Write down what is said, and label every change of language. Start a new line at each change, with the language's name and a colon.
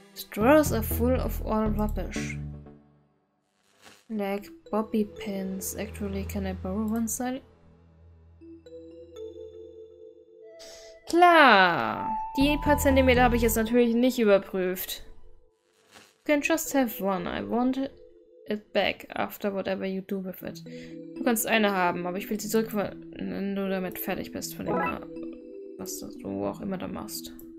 English: Drawers are full of all rubbish. Like bobby pins. Actually, can I borrow one, Sally?
German: Klar! Die paar Zentimeter habe ich jetzt natürlich nicht überprüft.
English: You can just have one. I want it back after whatever you do with it.
German: Du kannst eine haben, aber ich will sie zurück, wenn du damit fertig bist, von immer, was du auch immer da machst.